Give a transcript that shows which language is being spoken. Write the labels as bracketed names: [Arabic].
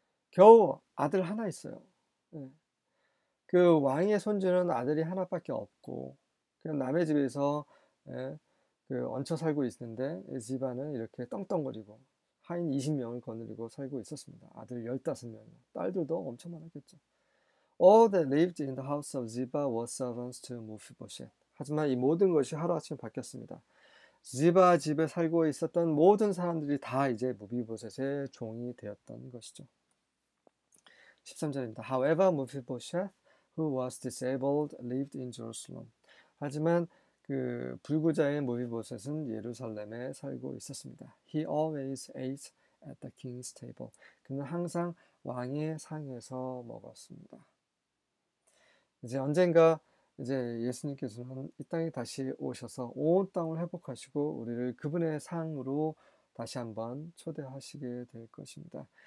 [Korean] 겨우 아들 하나 있어요. 그 왕의 손주는 아들이 하나밖에 없고 그냥 남의 집에서 얹혀 살고 있는데 지바는 이렇게 떵떵거리고 하인들과 하인 20명을 거느리고 살고 있었습니다. 아들 15명, 딸들도 엄청 많았겠죠. [English] All that lived in the house of Ziba were servants to Mephibosheth. [Korean] 하지만 이 모든 것이 하루아침 바뀌었습니다. 지바 집에 살고 있었던 모든 사람들이 다 이제 무비보셋의 종이 되었던 것이죠. 13절입니다. [English] However, Mephibosheth, who was disabled, lived in Jerusalem. [Korean] 하지만 그 불구자의 무비보셋은 예루살렘에 살고 있었습니다. [English] He always ate at the king's table. [Korean] 그는 항상 왕의 상에서 먹었습니다. 이제 언젠가 이제 예수님께서는 이 땅에 다시 오셔서 온 땅을 회복하시고 우리를 그분의 상으로 다시 한번 초대하시게 될 것입니다.